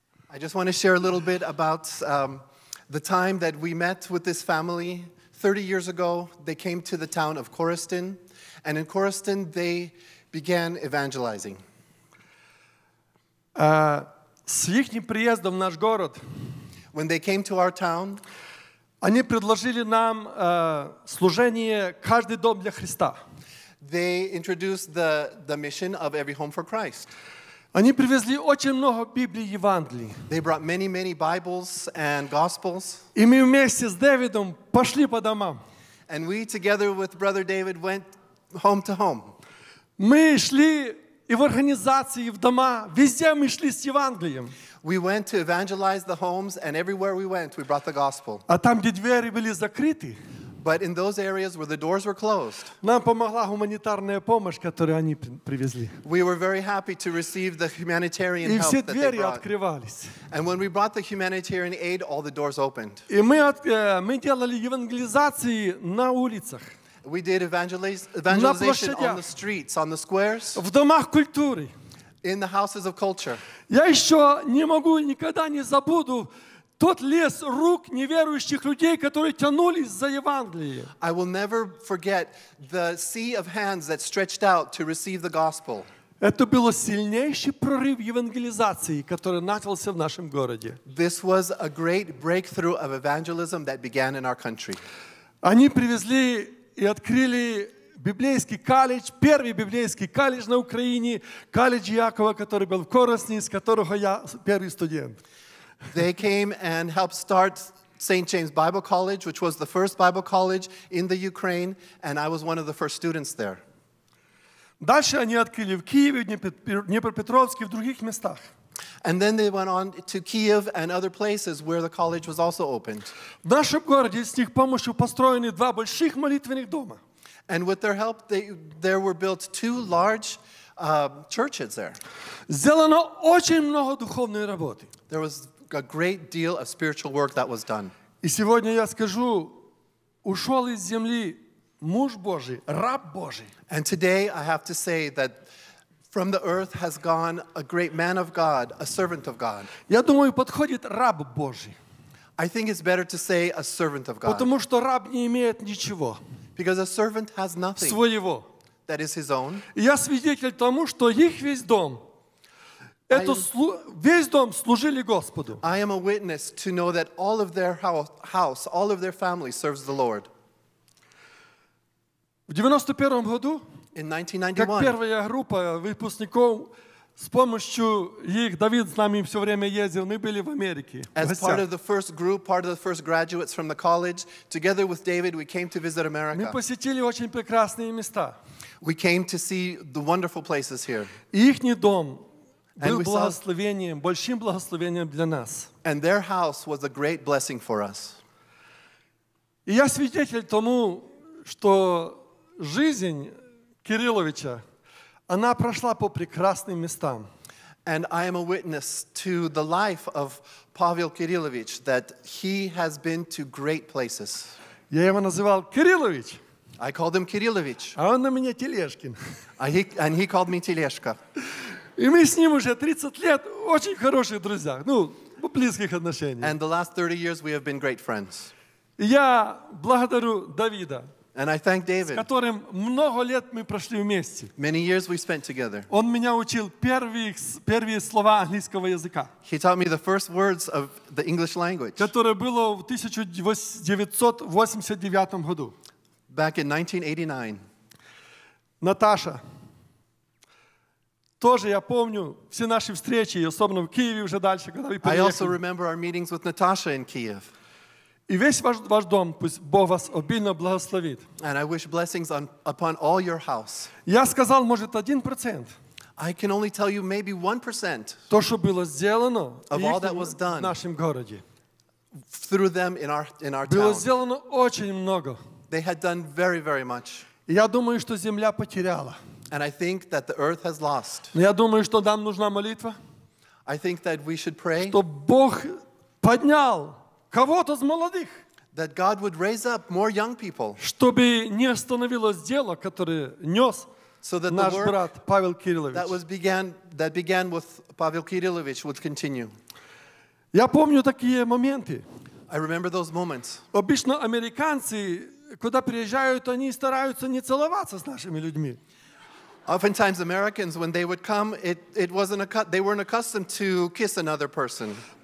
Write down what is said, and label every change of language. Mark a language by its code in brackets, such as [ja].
[en] I just want to share a little bit about the time that we met with this family 30 years ago. They came to the town of Coriston, and in Coriston they began evangelizing. [uk] С їхнім приїздом в наш город, [en] when they came to our town, [ru] вони предложили нам служение «Каждый дом для Христа». [en] They introduced the mission of Every Home for Christ. [ru] Они привезли очень много Библии и Евангелий. [en] They brought many, many Bibles and Gospels. [ru] И мы вместе с Дэвидом пошли по домам. [en] And we together with Brother David went home to home. [ru] Мы шли и в организации, и в дома. Везде мы шли с Евангелием. [en] We went to evangelize the homes, and everywhere we went, we brought the Gospel. [ru] А там, где двери были закрыты. [en] But in those areas where the doors were closed, [ru] нам помогла гуманитарная помощь, которую они привезли. [en] We were very happy to receive the humanitarian help that they brought. [ru] И все двери открывались. [en] And when we brought the humanitarian aid, all the doors opened. [ru] И мы делали евангелизации на улицах. [en] We did evangelization on the streets, on the squares. [ru] В домах культури. [en] In the houses of culture. [ru] Я ещё не могу никогда не забуду тот лес рук неверующих людей, которые тянулись за Евангелие. [en] I will never forget the sea of hands that stretched out to receive the gospel. [ru] Это был сильнейший прорыв евангелизации, который начался в нашем городе. [en] This was a great breakthrough of evangelism that began in our country. [ru] Они привезли и открыли библейский колледж, первый библейский колледж на Украине, колледж Якова, который был в Коросне, из которого я первый студент. [en] They came and helped start St. James Bible College, which was the first Bible college in the Ukraine, and I was one of the first students there. [ru] Дальше они открыли в Киеве, в Днепропетровске, в других местах. [en] And then they went on to Kiev and other places where the college was also opened. [ru] В нашем городе с их помощью построены два больших молитвенных дома. [en] And with their help, there were built two large churches there. [ru] Сделано очень много духовной работы. [en] There was a great deal of spiritual work that was done. [ru] И сегодня я скажу, ушел из земли муж Божий, раб Божий. [en] And today I have to say that from the earth has gone a great man of God, a servant of God. [ru] Я думаю, подходит раб Божий. [en] I think it's better to say a servant of God. [ru] Потому что раб не имеет ничего. [en] Because a servant has nothing [ru] своего. [en] That is his own. [ru] Я свидетель тому, что их весь дом, весь дом служили Господу. [en] I am a witness to know that all of their house, all of their family serves the Lord. [ru] В 91-м году, как первая группа выпускников, с помощью их, Давид с нами все время ездил, мы были в Америке. [en] As part of the first group, part of the first graduates from the college, together with David, we came to visit America. [ru] Мы посетили очень прекрасные места. [en] We came to see the wonderful places here. [ru] Ихний дом был благословением, большим благословением для нас. [en] And their house was a great blessing for us. [ru] И я свидетель тому, что жизнь Кирилловича, она прошла по прекрасным местам. [en] And I am a witness to the life of Pavel Kirillovich, that he has been to great places. [ru] Я его называл Кириллович. [en] I called him Kirillovich. [ru] А он на меня Тележкин. [en] And he called me Тележка. [ru] И мы с ним уже 30 лет очень хорошие друзья, ну, в близких отношениях. [en] And the last 30 years we have been great friends. [ru] Я благодарю Давида. [en] And I thank David. [ru] С которым много лет мы прошли вместе. [en] Many years we spent together. [ru] Он меня учил первые слова английского языка. [en] He taught me the first words of the English language. [ru] Которое было в 1989 году. [en] Back in 1989. [ru] Наташа. Тоже я помню все наши встречи, особенно в Киеве уже дальше, когда мы приехали. [en] I also remember our meetings with Natasha in Kiev. [ru] И весь ваш дом пусть Бог вас обильно благословит. [en] And I wish blessings on, upon all your house. [ru] Я сказал, может, 1%. [en] I can only tell you maybe 1%. [ru] То, что было сделано [en] of all that was done [ru] в нашем городе. [en] Through them in our [ru] было Было сделано очень много. [en] They had done very, very much. [ru] Я думаю, что земля потеряла. [en] And I think that the earth has lost. [ru] Я думаю, что нам нужна молитва. [en] I think that we should pray. [ru] Чтоб Бог поднял кого-то из молодых, [en] that God would raise up more young people, [ru] чтобы не остановилось дело, которое нес [en] so that [ru] наш брат Павел Кириллович. [en] That began with Pavel Kirillovich would continue. [ru] Я помню такие моменты. [en] I remember those moments. [ru] Обычно американцы, куда приезжают, они стараются не целоваться с нашими людьми. [en] Oftentimes Americans, when they would come, they weren't accustomed to kiss another person.